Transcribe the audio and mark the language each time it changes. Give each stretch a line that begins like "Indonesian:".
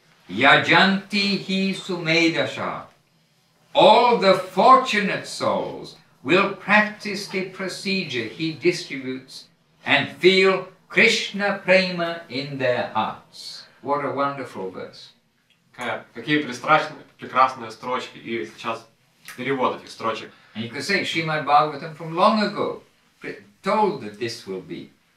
Sanskrit: Yajanti hi Sumedasha.
English: All the fortunate souls will practice the procedure he distributes and feel Krishna prema in their hearts. What a wonderful verse.
Russian: Какие прекрасные строчки, и сейчас перевод этих строчек.
English: And you can say Srimad Bhagavatam from long ago told that this will be.